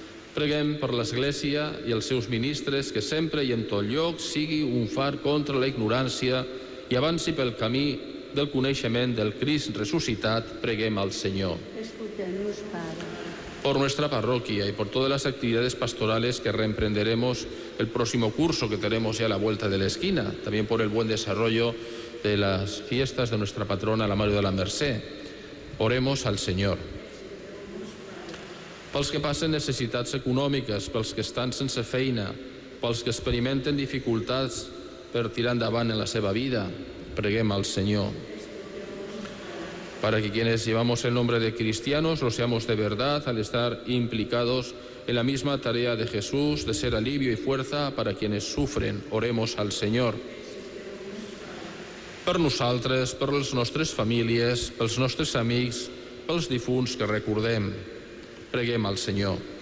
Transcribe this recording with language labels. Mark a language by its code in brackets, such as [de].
[ca] Preguem per l'Església i els seus ministres, que sempre i en tot lloc sigui un far contra la ignorància i avanci pel camí del coneixement del Crist ressuscitat. Preguem al Senyor. Escolteu-nos, Pare. [es] Por nuestra parroquia y por todas las actividades pastorales que reemprenderemos el próximo curso que tenemos ya a la vuelta de la esquina, también por el buen desarrollo de las fiestas de nuestra patrona, la Mario de la Merced. Oremos al Señor. [ca] Pels que passen necessitats econòmiques, pels que estan sense feina, pels que experimenten dificultats per tirar endavant en la seva vida, preguem al Señor. [es] Para que quienes llevamos el nombre de cristianos lo seamos de verdad al estar implicados en la misma tarea de Jesús, de ser alivio y fuerza para quienes sufren, oremos al Señor. [ca] Per nosaltres, per les nostres famílies, pels nostres amics, pels difunts que recordem, preguem al Señor.